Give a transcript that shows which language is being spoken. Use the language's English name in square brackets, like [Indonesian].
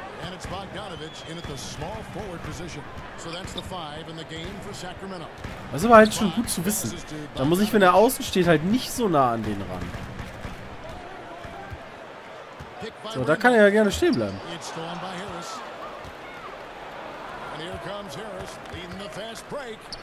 [English] And it's Bogdanovich in at the small forward position. So that's the five in the game for Sacramento. [German] Das war halt schon gut zu wissen. Da muss ich, wenn er außen steht, halt nicht so nah an den ran. So, da kann er ja gerne stehen bleiben. [English] And here comes Harris, leading the fast break.